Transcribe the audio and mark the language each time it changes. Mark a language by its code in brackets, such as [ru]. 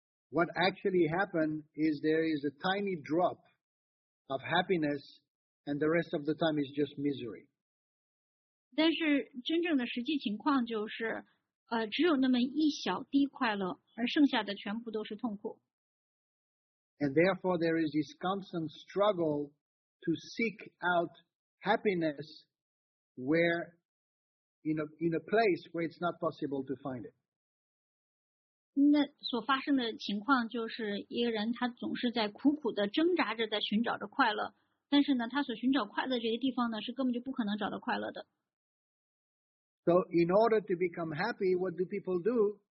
[en] what actually happened is there is a tiny drop of happiness. And the rest of the time is just misery. [zh] 但是真正的实际情况就是，只有那么一小滴快乐，而剩下的全部都是痛苦。 [en] And therefore there is this constant struggle to seek out happiness where in a place where it's not possible to find it. [zh] 那所发生的情况就是一个人他总是在苦苦地挣扎着在寻找着快乐。但是呢，他所寻找快乐的这个地方呢，是根本就不可能找到快乐的。 [en] So in order to become happy, what do people do?